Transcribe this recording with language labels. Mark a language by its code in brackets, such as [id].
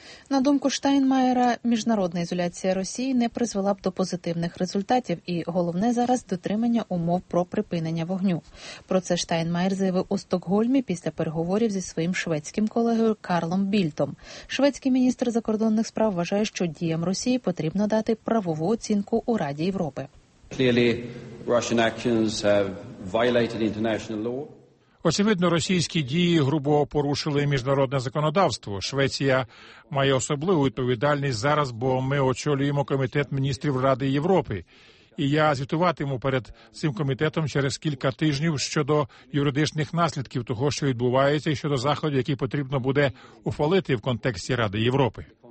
[uk] На думку Штайнмаєра, міжнародна ізоляція Росії не призвела б до позитивних результатів, і головне зараз – дотримання умов про припинення вогню. Про це Штайнмаєр заявив у Стокгольмі після переговорів зі своїм шведським колегою Карлом Більтом. Шведський міністр закордонних справ вважає, що діям Росії потрібно дати правову оцінку у Раді Європи. [en] Clearly, Russian actions have violated international law. [uk] Очевидно, російські дії грубо порушили міжнародне законодавство. Швеція має особливу відповідальність зараз, бо ми очолюємо Комітет міністрів Ради Європи. І я звітуватиму перед цим комітетом через кілька тижнів щодо юридичних наслідків того, що відбувається, і щодо заходів, які потрібно буде ухвалити в контексті Ради Європи.